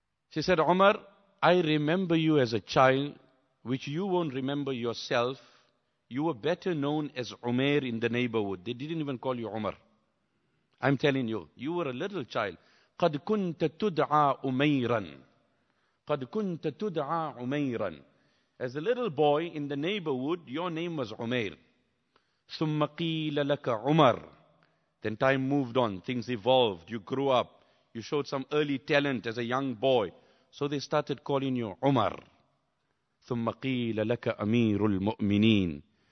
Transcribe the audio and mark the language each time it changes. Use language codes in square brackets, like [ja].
[en] She said, Umar, I remember you as a child, which you won't remember yourself. You were better known as Umair in the neighborhood. They didn't even call you Umar. I'm telling you, you were a little child. [ar] قَدْ كُنْتَ تُدْعَى أُمَيْرًا قَدْ كُنْتَ تُدْعَى أُمَيْرًا. [en] As a little boy in the neighborhood, your name was Umair. [ar] ثُمَّ قِيلَ لَكَ عُمَرٌ. [en] Then time moved on, things evolved, you grew up, you showed some early talent as a young boy. So they started calling you Umar. [ar] ثُمَّ قِيلَ لَكَ أَمِيرُ الْمُؤْمِنِينَ.